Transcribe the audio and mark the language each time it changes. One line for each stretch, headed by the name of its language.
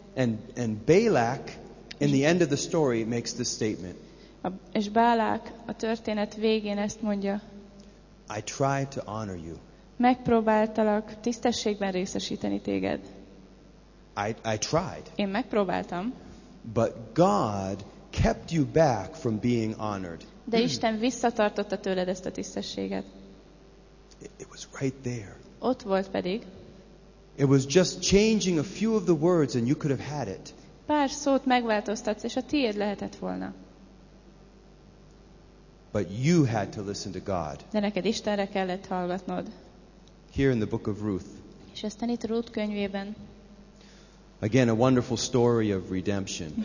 English: And Balak, in the end of the story, makes this statement.
Hungarian: És Balak a történet végén ezt mondja.
English: I try to honor you.
Hungarian: Megpróbáltalak tisztességben részesíteni téged.
English: I tried.
Hungarian: Én megpróbáltam.
English: But God kept you back from being honored.
Hungarian: De Isten visszatartotta tőled ezt a tisztességet.
English: It was right there.
Hungarian: Ott volt pedig.
English: It was just changing a few of the words and you could have had it.
Hungarian: Pár szót megváltoztatsz, és a tiéd lehetett volna.
English: But you had to listen to God.
Hungarian: De neked Istenre kellett hallgatnod.
English: Here in the book of Ruth.
Hungarian: És aztán itt Ruth könyvében.
English: Again, a wonderful story of redemption.